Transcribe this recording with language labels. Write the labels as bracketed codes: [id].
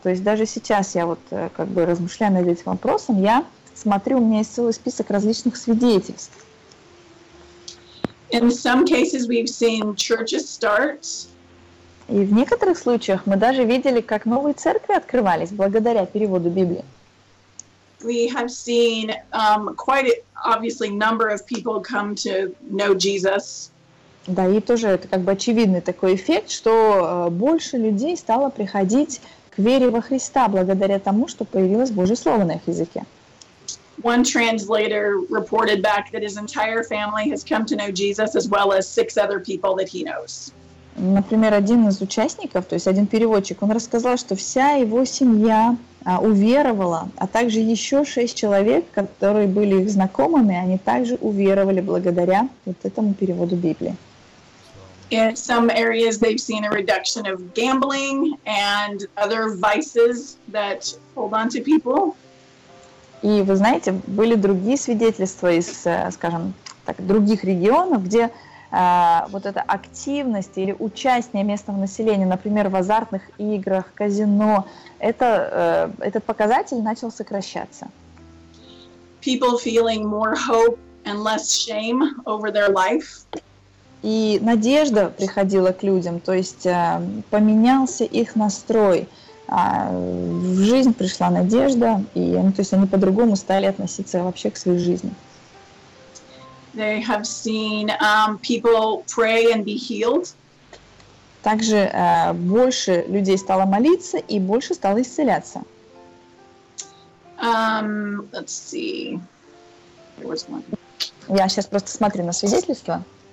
[ru] То есть даже сейчас я вот как бы размышляю над этим вопросом, я смотрю, у меня есть целый список различных свидетельств. [en] In some cases, we've seen churches start. [ru] И в некоторых случаях мы даже видели, как новые церкви открывались благодаря переводу Библии. [en] We have seen quite obviously number of people come to know Jesus. [ru] Да, и тоже это как бы очевидный такой эффект, что больше людей стало приходить к вере во Христа благодаря тому, что появилось Божье Слово на их языке. [en] One translator reported back that his entire family has come to know Jesus, as well as six other people that he knows. [ru] Например, один из участников, то есть один переводчик, он рассказал, что вся его семья уверовала, а также еще шесть человек, которые были их знакомыми, они также уверовали благодаря вот этому переводу Библии. [en] In some areas, they've seen a reduction of gambling and other vices that hold on to people. [ru] И вы знаете, были другие свидетельства из, скажем так, других регионов, где вот эта активность или участие местного населения, например, в азартных играх, казино, этот показатель начал сокращаться. [en] People feeling more hope and less shame over their life. [ru] И надежда приходила к людям, то есть поменялся их настрой. В жизнь пришла надежда, и ну, то есть они по-другому стали относиться вообще к своей жизни. [en] They have seen people pray and be healed. [ru] Также больше людей стало молиться и больше стало исцеляться. [en] Let's see. There was one. [ru] Я сейчас просто смотрю на свидетельство.